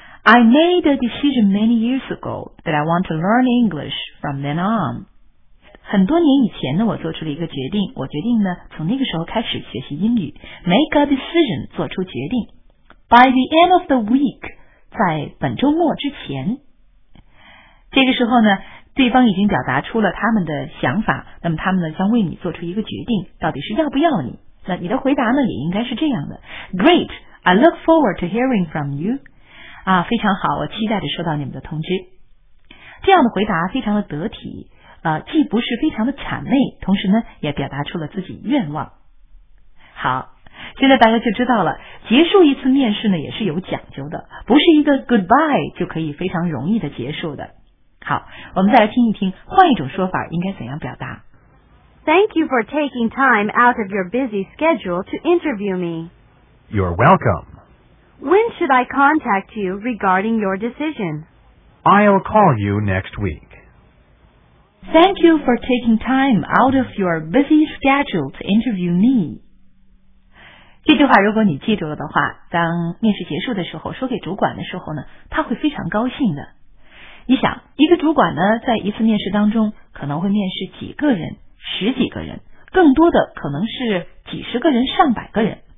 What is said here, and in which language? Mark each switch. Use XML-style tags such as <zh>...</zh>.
<en>I made a decision many years ago that I want to learn English from then on.</en> <zh>很多年以前呢，我做出了一个决定，我决定呢，从那个时候开始学习英语。</zh> <en>Make a decision,</en> <zh>做出决定。</zh> <en>By the end of the week,</en> <zh>在本周末之前。这个时候呢，对方已经表达出了他们的想法，那么他们呢，将为你做出一个决定，到底是要不要你。那你的回答呢，也应该是这样的。</zh> <en>Great, I look forward to hearing from you.</en> <zh>非常好，我期待着收到你们的通知。这样的回答非常的得体，既不是非常的谄媚，同时呢也表达出了自己愿望。好，现在大家就知道了，结束一次面试呢也是有讲究的，不是一个 goodbye 就可以非常容易的结束的。好，我们再来听一听，换一种说法应该怎样表达。</zh> <en>Thank you for taking time out of your busy schedule to interview me. You're welcome. When should I contact you regarding your decision? I'll call you next week. Thank you for taking time out of your busy schedule to interview me.</en> <zh>这句话如果你记住了的话，当面试结束的时候说给主管的时候呢，他会非常高兴的。你想，一个主管呢，在一次面试当中可能会面试几个人，十几个人，更多的可能是几十个人，上百个人。</zh>